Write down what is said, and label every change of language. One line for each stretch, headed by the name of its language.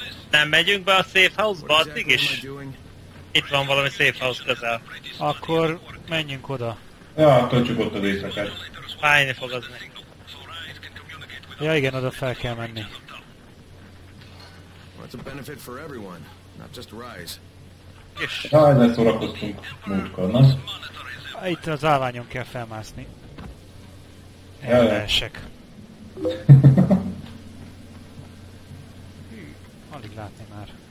Hungarian: Nem megyünk be a safe house-ba, addig is? Itt van valami safe house közel. Akkor menjünk oda. Ja, töltsük ott az éjszakát. Fájni fog az meg. Ja igen, oda fel kell menni.
English: It's a benefit for everyone, not just Rise.
Hungarian: Jaj, ne szórakoztunk múltkor, na? Itt az állványon kell felmászni. Elleesek. Alig látni már.